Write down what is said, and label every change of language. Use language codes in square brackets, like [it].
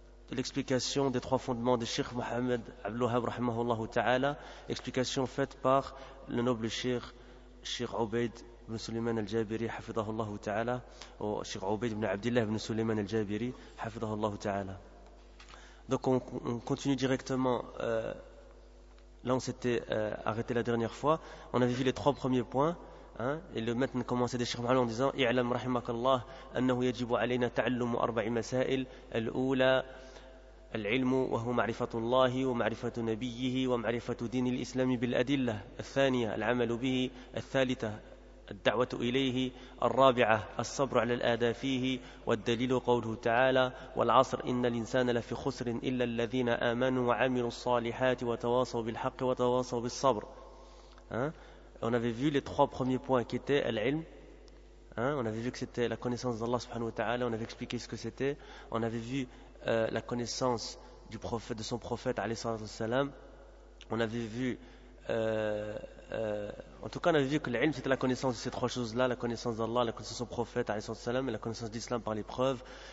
[fr] l'explication des trois fondements de Cheikh Mohamed Abdel Wahhab rahimahullah ta'ala, explication faite par le noble Cheikh, Cheikh Obeid ibn Suleiman al-Jabiri, hafidahullah ta'ala, ou Cheikh Obeid ibn Abdillah ibn Suleiman al-Jabiri, hafidahullah ta'ala. Donc on continue directement là on s'était arrêté la dernière fois. On avait vu les trois premiers points, hein, et le maître commençait des chirmes en disant [ar] I'lam rahimakallah annahu yajibu alayna ta'allumu arba'i masail al-oula العلم وهو معرفة الله ومعرفة نبيه ومعرفة دين الإسلام بالأدلة الثانية العمل به الثالثة الدعوة إليه الرابعة الصبر على الآداء فيه والدليل قوله تعالى والعصر إن الإنسان لفي خسر إلا الذين آمنوا وعملوا الصالحات وتواصوا بالحق وتواصوا بالصبر. [fr] On avait vu les trois premiers points qui étaient العلم. On avait vu que c'était la connaissance d'Allah subhanahu wa ta'ala. On avait expliqué ce que c'était. On avait vu la connaissance du prophète, de son prophète alayhi salatu wassalam. On avait vu en tout cas on avait vu que l'ilm c'était la connaissance de ces trois choses là, la connaissance d'Allah, la connaissance de son prophète alayhi salatu wassalam et la connaissance d'Islam par les preuves.